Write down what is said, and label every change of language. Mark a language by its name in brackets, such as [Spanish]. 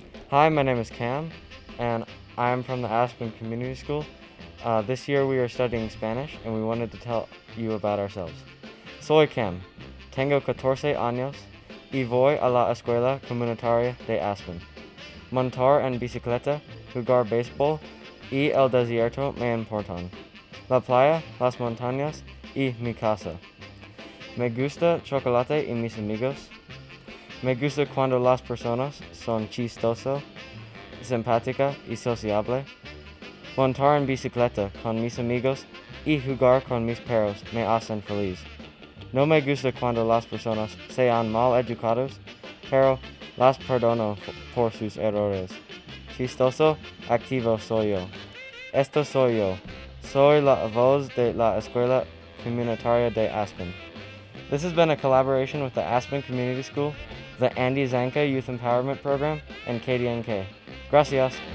[English] Hi, my name is Cam, and I am from the Aspen Community School. This year we are studying Spanish, and we wanted to tell you about ourselves. [Spanish] Soy Cam, tengo 14 años, y voy a la Escuela Comunitaria de Aspen. Montar en bicicleta, jugar béisbol, y el desierto me importan. La playa, las montañas, y mi casa. Me gusta chocolate y mis amigos. Me gusta cuando las personas son chistoso, simpática y sociable. Montar en bicicleta con mis amigos y jugar con mis perros me hacen feliz. No me gusta cuando las personas sean mal educados, pero las perdono por sus errores. Chistoso, activo soy yo. Esto soy yo. Soy la voz de la Escuela Comunitaria de Aspen. [English] This has been a collaboration with the Aspen Community School, the Andy Zanka Youth Empowerment Program, and KDNK. Gracias.